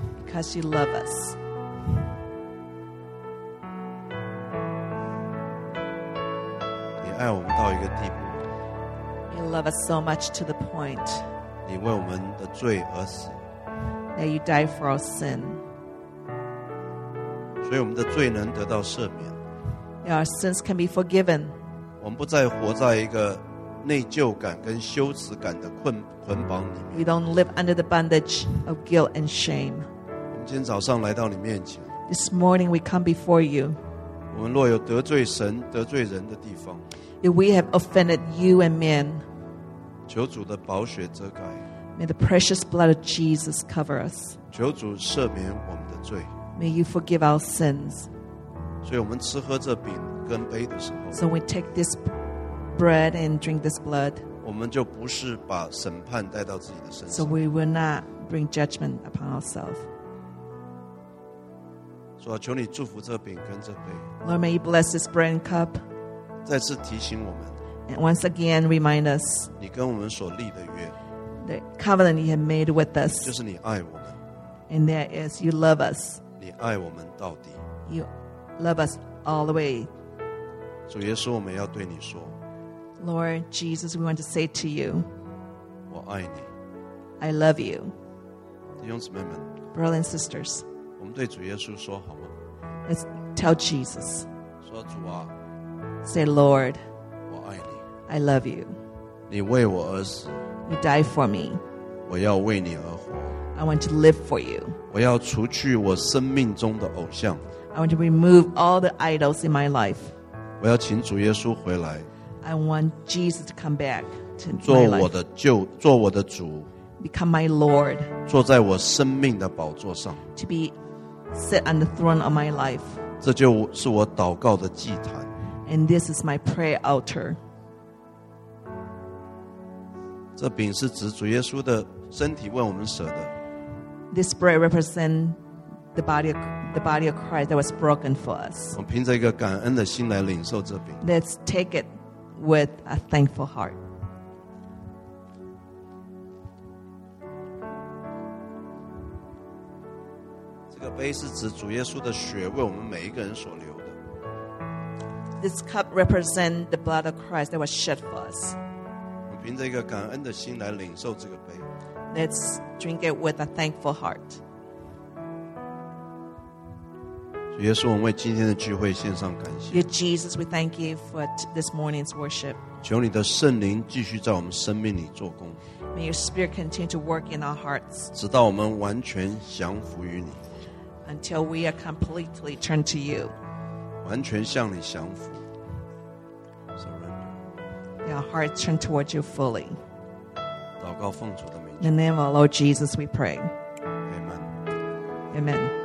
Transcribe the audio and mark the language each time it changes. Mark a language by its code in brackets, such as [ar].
[en] Because you love us. [zh] 你爱我们到一个地步。 [en] You love us so much to the point. [zh] 你为我们的罪而死。 [en] That you died for our sin. [zh] 所以我们的罪能得到赦免。 [en] Our sins can be forgiven. [zh] 我们不再活在一个内疚感跟羞耻感的捆绑里面。 [en] We don't live under the bondage of guilt and shame. [zh] 我们今天早上来到你面前。 [en] This morning we come before you. [zh] 我们若有得罪神、得罪人的地方。 [en] If we have offended you and men. [zh] 求主的宝血遮盖。 [en] May the precious blood of Jesus cover us. [zh] 求主赦免我们的罪。 [en] May you forgive our sins. [zh] 所以我们吃喝这饼跟杯的时候。 [en] So we take this bread and drink this blood. [zh] 我们就不是把审判带到自己的身 [en] 上。So we will not bring judgment upon ourselves. [zh] 主啊，求你祝福这饼跟这杯。 [en] Lord, may you bless this bread and cup. [zh] 再次提醒我们。 [en] And once again, remind us. [zh] 你跟我们所立的约。 [en] The covenant you have made with us. [zh] 就是你爱我们。 [en] And that is, you love us. [zh] 你爱我们到底。 [en] You love us all the way. [zh] 主耶稣，我们要对你说。 [en] Lord Jesus, we want to say to you. [zh] 我爱你。 [en] I love you. [zh] 弟兄姊妹们。 [en] Brothers and sisters. [zh] 我们对主耶稣说好吗？ [en] Let's tell Jesus. [zh] 说主啊。 [en] Say, Lord. [zh] 我爱你。 [en] I love you. [zh] 你为我而死。 [en] You die for me. [zh] 我要为你而活。 [en] I want to live for you. [zh] 我要除去我生命中的偶像。 [en] I want to remove all the idols in my life. [zh] 我要请主耶稣回来。 [en] I want Jesus to come back to my life. [zh] 做我的主。 [en] Become my Lord. [zh] 坐在我生命的宝座上。 [en] To be sit on the throne of my life. [zh] 这就是我祷告的祭坛。 [en] And this is my prayer altar. [zh] 这饼是指主耶稣的身体为我们舍的。 [en] This bread represents the body of Christ that was broken for us. [zh] 我们凭着一个感恩的心来领受这饼。 [en] Let's take it with a thankful heart. [zh] 这个杯是指主耶稣的血为我们每一个人所流的。 [en] This cup represents the blood of Christ that was shed for us. [zh] 凭着一个感恩的心来领受这个杯。 [en] Let's drink it with a thankful heart. [zh] 主耶稣，我们为今天的聚会献上感谢。 [en] Dear Jesus, we thank you for this morning's worship. [zh] 求你的圣灵继续在我们生命里做工。 [en] May your spirit continue to work in our hearts. [zh] 直到我们完全降服于你。 [en] Until we are completely turned to you. [zh] 完全向你降服。 [en] Our heart turned towards you fully. [zh] 祷告奉主的名。 [en] In the name of Lord Jesus, we pray. Amen. Amen.